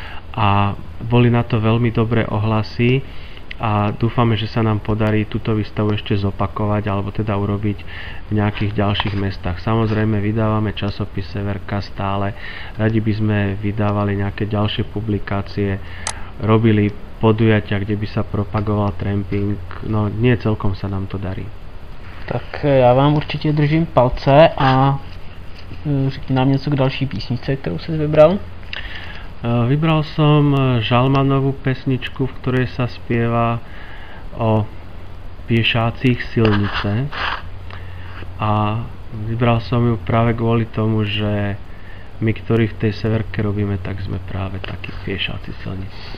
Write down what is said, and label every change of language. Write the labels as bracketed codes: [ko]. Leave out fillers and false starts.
[sk] A boli na to veľmi dobré ohlasy a dúfame, že sa nám podarí túto výstavu ešte zopakovať alebo teda urobiť v nejakých ďalších mestách. Samozrejme, vydávame časopis Severka stále. Radi by sme vydávali nejaké ďalšie publikácie, robili podujatia, kde by sa propagoval tramping. No, nie celkom sa nám to darí. [cs] Tak ja vám určite držím palce a řekni nám něco k další písnice, kterou ses vybral. [sk] Vybral som Žalmanovú pesničku, v ktorej sa spieva o piešácich silnice a vybral som ju práve kvôli tomu, že my, ktorí v tej severke robíme, tak sme práve takí piešáci celníc.